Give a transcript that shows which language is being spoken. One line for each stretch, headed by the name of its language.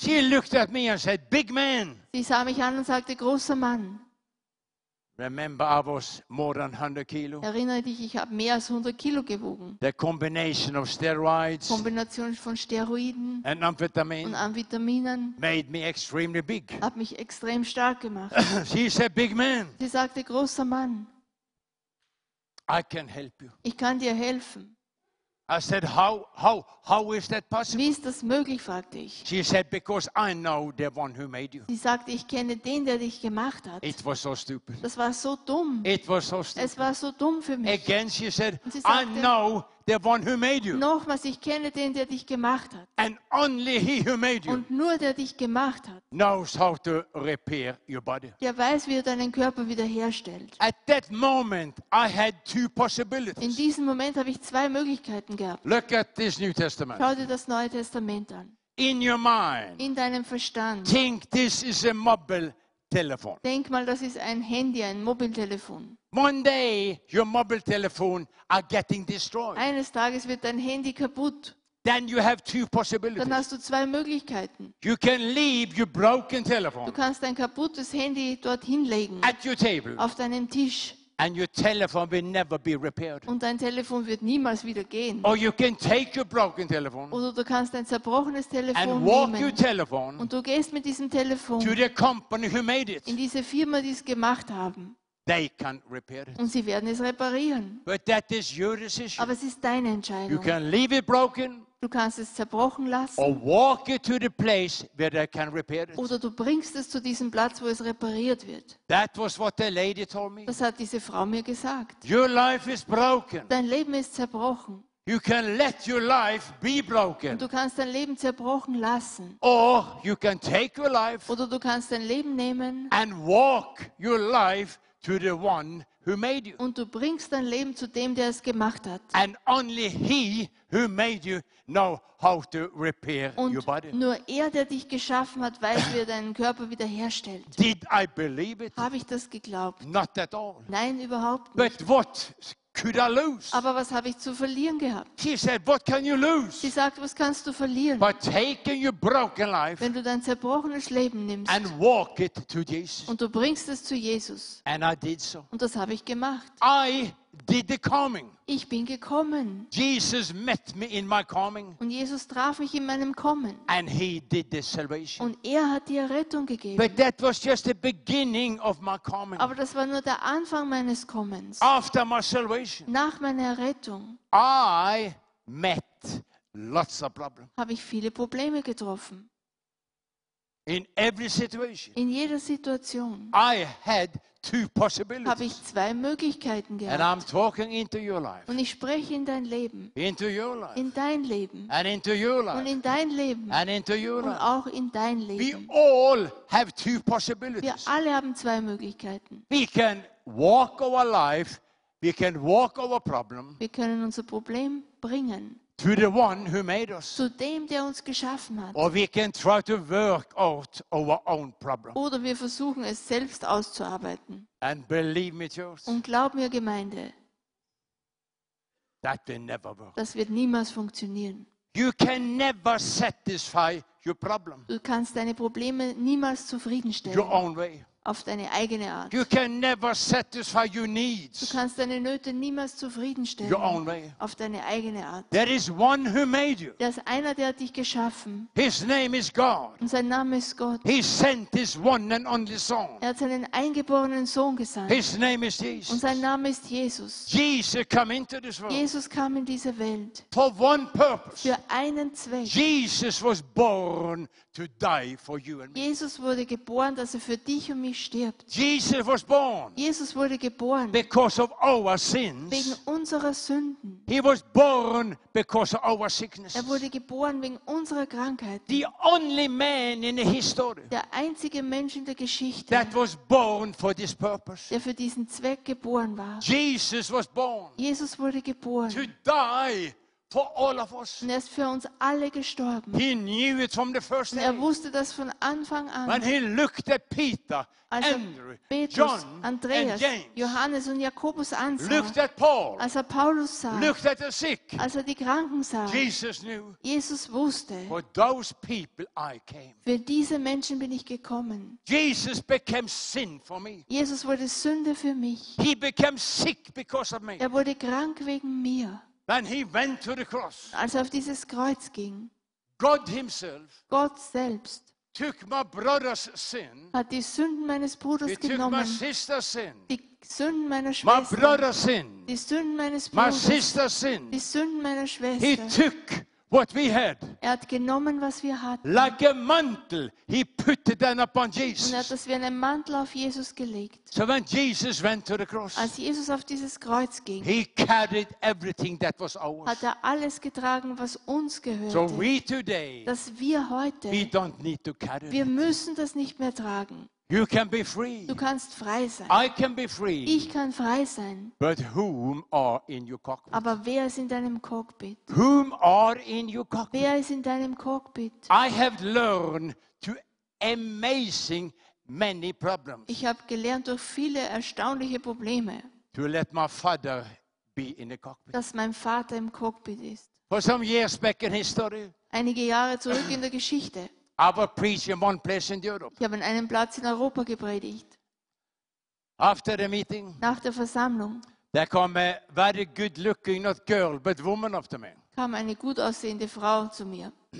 English: She looked at me and said, "Big man."
German: Sie sah mich an und sagte, großer Mann.
English: Remember, I was more than 100 kilo.
German: Erinnere dich, ich habe mehr als 100 Kilo gewogen.
English: The combination of steroids,
German: Kombination von Steroiden
English: and amphetamine
German: und Amphetaminen,
English: made me extremely big.
German: Hat mich extrem stark gemacht.
English: She said, "Big man."
German: Sie sagte, großer Mann.
English: I can help you.
German: Ich kann dir helfen.
English: I said, how is that possible?
German: Wie ist das möglich, fragte ich.
English: She said, because I know the one who made you.
German: Sie sagte, ich kenne den, der dich gemacht hat.
English: It was so stupid.
German: Das war so dumm.
English: It was so stupid.
German: Es war so dumm für mich.
English: Again, she said,
German: sagte,
English: I know the one who made you.
German: Nochmals, ich kenne den, der dich gemacht hat.
English: And only he who made you.
German: Und nur der dich gemacht hat.
English: Knows how to repair your body.
German: Der weiß, wie er deinen Körper wiederherstellt.
English: At that moment, I had two possibilities.
German: In diesem Moment habe ich zwei Möglichkeiten gehabt.
English: Look at this New Testament.
German: Schau dir das Neue Testament an.
English: In your mind.
German: In deinem Verstand.
English: Think this is a mobile telephone.
German: Denk mal, das ist ein Handy, ein Mobiltelefon.
English: One day your mobile telephone are getting destroyed.
German: Eines Tages wird dein Handy kaputt.
English: Then you have two possibilities.
German: Dann hast du zwei Möglichkeiten.
English: You can leave your broken telephone.
German: Du kannst dein kaputtes Handy dorthin legen.
English: At your table.
German: Auf deinem Tisch.
English: And your telephone will never be repaired.
German: Und dein Telefon wird niemals wieder gehen.
English: Or you can take your broken telephone.
German: Oder du kannst dein zerbrochenes Telefon
English: and
German: nehmen.
English: Walk your telephone.
German: Und du gehst mit diesem Telefon
English: to the company who made it.
German: In diese Firma, die es gemacht haben.
English: They can repair it.
German: Und sie werden es reparieren.
English: But that is your decision.
German: Aber es ist deine Entscheidung.
English: You can leave it broken.
German: Du kannst es zerbrochen lassen.
English: Or walk it to the place where they can repair it.
German: Oder du bringst es zu diesem Platz, wo es repariert wird.
English: That was what the lady told me.
German: Das hat diese Frau mir gesagt.
English: Your life is broken.
German: Dein Leben ist zerbrochen.
English: You can let your life be broken.
German: Und du kannst dein Leben zerbrochen lassen.
English: Or you can take your life.
German: Oder du kannst dein Leben nehmen.
English: And walk your life to the one who made you.
German: Und du bringst dein Leben zu dem, der es gemacht hat.
English: And only he who made you know how to repair your body.
German: Nur er, der dich geschaffen hat, weiß, wie er deinen Körper wiederherstellt.
English: Did I believe it?
German: Habe ich das geglaubt?
English: Not at all.
German: Nein, überhaupt nicht.
English: But what could I lose?
German: Aber was habe ich zu verlieren gehabt?
English: She said, what can you lose?
German: Sie sagt, was kannst du verlieren?
English: By taking your broken life,
German: wenn du dein zerbrochenes Leben nimmst
English: and walk it to Jesus.
German: Und du bringst es zu Jesus.
English: And I did so.
German: Und das habe ich gemacht.
English: I did the coming.
German: Ich bin gekommen.
English: Jesus met me in my coming.
German: Und Jesus traf mich in meinem Kommen.
English: And he did the salvation.
German: Und er hat die Errettung gegeben.
English: But that was just the beginning of my coming.
German: Aber das war nur der Anfang meines Kommens.
English: After my salvation.
German: Nach meiner Errettung.
English: I met lots of problems.
German: Habe ich viele Probleme getroffen.
English: In every situation.
German: In jeder Situation.
English: I had two possibilities.
German: Habe ich zwei Möglichkeiten gehabt.
English: And I'm talking into your life.
German: Und ich spreche in dein Leben.
English: Into your life.
German: In dein Leben.
English: And into your life.
German: Und in dein Leben.
English: And into your life.
German: Und auch in dein Leben.
English: We all have two possibilities.
German: Wir alle haben zwei Möglichkeiten.
English: We can walk our life. We can walk our problem.
German: Wir können unser Problem bringen.
English: To the one who made us.
German: Zu dem, der uns geschaffen hat.
English: Or we can try to work out our own problem.
German: Oder wir versuchen es selbst auszuarbeiten.
English: And believe me, church.
German: Und glaub mir, Gemeinde.
English: That will never work.
German: Das wird niemals funktionieren.
English: You can never satisfy your problem.
German: Du kannst deine Probleme niemals zufriedenstellen.
English: Your own way.
German: Auf deine eigene Art.
English: You can never satisfy your needs.
German: Du kannst deine Nöte niemals zufriedenstellen.
English: Your own way.
German: Auf deine eigene Art.
English: There is one who made you.
German: Das ist einer, der hat dich geschaffen.
English: His name is God.
German: Und sein Name ist Gott.
English: He sent his one and only son.
German: Er hat seinen eingeborenen Sohn gesandt.
English: His name is Jesus.
German: Und sein Name ist Jesus.
English: Jesus came into this world.
German: Jesus kam in diese Welt.
English: For one purpose.
German: Für einen Zweck.
English: Jesus was born to die for you and me.
German: Jesus wurde geboren, dass er für dich und mich stirbt.
English: Jesus was born.
German: Jesus wurde geboren.
English: Because of our sins.
German: Wegen unserer Sünden.
English: He was born because of our sickness.
German: Er wurde geboren wegen unserer Krankheit.
English: The only man in the history.
German: Der einzige Mensch in der Geschichte.
English: That was born for this purpose.
German: Der für diesen Zweck geboren war.
English: Jesus was born.
German: Jesus wurde geboren.
English: To die. For all of us.
German: Und er ist für uns alle gestorben.
English: He knew it from the first day.
German: Er wusste das von Anfang an.
English: When he looked at Peter,
German: als er
English: Andrew,
German: Petrus,
English: John,
German: Andreas,
English: and James,
German: Johannes und Jakobus ansah,
English: looked at Paul,
German: als er Paulus sah,
English: looked at the sick,
German: als er die Kranken sah,
English: Jesus knew.
German: Jesus wusste.
English: For those people I came.
German: Für diese Menschen bin ich gekommen.
English: Jesus became sin for me.
German: Jesus wurde Sünde für mich.
English: He became sick because of me.
German: Er wurde krank wegen mir.
English: When he went to the cross,
German: als er auf dieses Kreuz ging,
English: God himself,
German: Gott selbst,
English: took my brother's sin,
German: hat die Sünden meines Bruders
English: he
German: genommen,
English: took my sister's sin,
German: die Sünden meiner Schwester,
English: my brother's sin,
German: die Sünden meines Bruders,
English: my sister's sin,
German: die Sünden meiner Schwester,
English: he took what we had.
German: Er hat genommen, was wir hatten.
English: Like a mantle, he put it down upon Jesus.
German: Und er hat das wie einen Mantel auf Jesus gelegt.
English: So when Jesus went to the cross,
German: als Jesus auf dieses Kreuz ging,
English: he carried everything that was ours.
German: Hat er alles getragen, was uns gehörte.
English: So we today,
German: dass wir heute,
English: we don't need to carry
German: wir müssen das nicht mehr tragen.
English: You can be free.
German: Du kannst frei sein.
English: I can be free.
German: Ich kann frei sein.
English: But whom are in your cockpit?
German: Aber wer ist in deinem Cockpit?
English: Whom are in your cockpit?
German: Wer ist in deinem Cockpit?
English: I have learned to amazing many problems.
German: Ich habe gelernt durch viele erstaunliche Probleme.
English: To let my father be in the cockpit.
German: Dass mein Vater im Cockpit ist.
English: For some years back in history.
German: Einige Jahre zurück in der Geschichte.
English: I was preaching in one place in Europe.
German: Ich habe an einem Platz in Europa gepredigt.
English: After the meeting,
German: nach der Versammlung,
English: there came a very good-looking, not girl, but woman after me.
German: Kam eine gut aussehende Frau zu mir.